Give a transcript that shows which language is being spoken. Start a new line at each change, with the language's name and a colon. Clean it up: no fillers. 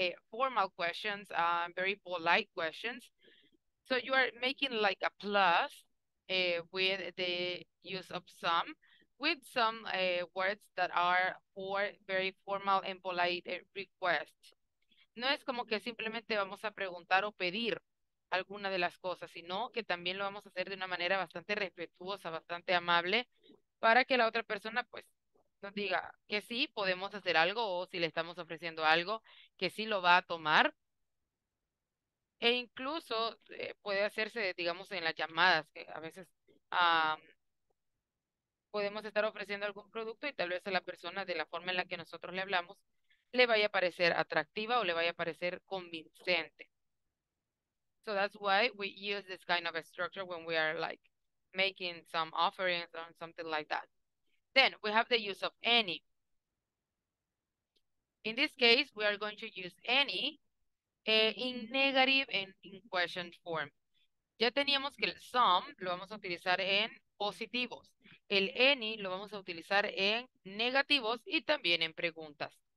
English: formal questions, very polite questions. So you are making like a plus with the use of some, with some words that are for very formal and polite requests.
Spanish: No es como que simplemente vamos a preguntar o pedir alguna de las cosas, sino que también lo vamos a hacer de una manera bastante respetuosa, bastante amable, para que la otra persona pues nos diga que sí podemos hacer algo o si le estamos ofreciendo algo, que sí lo va a tomar. E incluso puede hacerse, digamos, en las llamadas, que a veces podemos estar ofreciendo algún producto y tal vez a la persona, de la forma en la que nosotros le hablamos, le vaya a parecer atractiva o le vaya a parecer convincente.
English: So that's why we use this kind of a structure when we are like making some offerings or something like that. Then we have the use of any. In this case, we are going to use any in negative and in question form.
Spanish: Ya teníamos que el some lo vamos a utilizar en positivos. El any lo vamos a utilizar en negativos y también en preguntas.